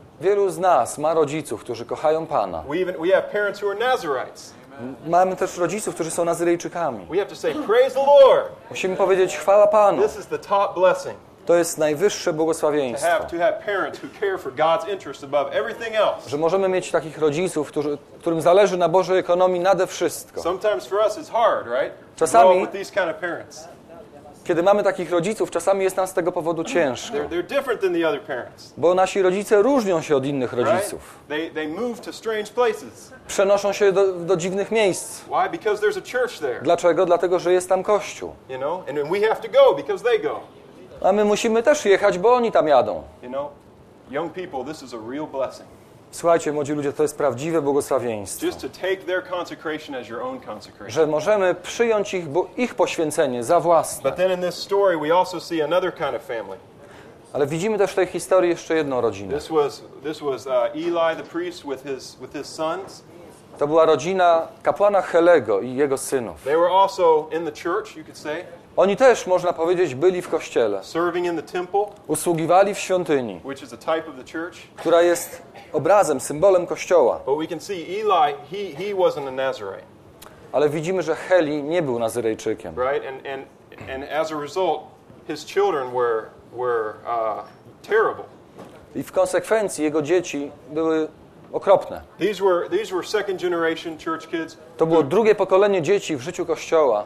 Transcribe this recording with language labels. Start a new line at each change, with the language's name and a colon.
Polish: Wielu z nas ma rodziców, którzy kochają Pana.
English: We have parents who are Nazarites.
Polish: Mamy też rodziców, którzy są Nazyrejczykami.
English: We have to say, praise the Lord.
Polish: Musimy powiedzieć chwała Panu.
English: This is the top blessing.
Polish: To jest najwyższe błogosławieństwo.
English: To have parents who care for God's interests above everything else.
Polish: Że możemy mieć takich rodziców, którym zależy na Bożej ekonomii nade wszystko.
English: Sometimes for us it's hard, right?
Polish: Czasami
English: with these kind of parents.
Polish: Kiedy mamy takich rodziców, czasami jest nam z tego powodu ciężko.
English: They're different than the other parents.
Polish: Bo nasi rodzice różnią się od innych rodziców.
English: Right? They move to strange places.
Polish: Przenoszą się do dziwnych miejsc.
English: Why? Because there's a church there.
Polish: Dlaczego? Dlatego, że jest tam kościół.
English: You know? And we have to go because they go.
Polish: A my musimy też jechać, bo oni tam jadą.
English: You know? Young people, this is a real blessing.
Polish: Słuchajcie, młodzi ludzie, to jest prawdziwe błogosławieństwo.
English: Just to take their consecration as your own consecration.
Polish: Że możemy przyjąć ich poświęcenie za własne.
English: But then in this story we also see another kind of family.
Polish: Ale widzimy też w tej historii jeszcze jedną rodzinę.
English: This was Eli the priest with his sons.
Polish: To była rodzina kapłana Helego i jego synów.
English: They were also in the church, you could say.
Polish: Oni też, można powiedzieć, byli w kościele.
English: Serving in the temple,
Polish: usługiwali w świątyni,
English: which is a type of the church.
Polish: Która jest obrazem, symbolem kościoła.
English: But we can see Eli, he wasn't a Nazarite.
Polish: Ale widzimy, że Heli nie był Nazyrejczykiem.
English: Right? And as a result, his children were terrible.
Polish: I w konsekwencji jego dzieci były okropne.
English: These were second generation church kids.
Polish: To było drugie pokolenie dzieci w życiu kościoła,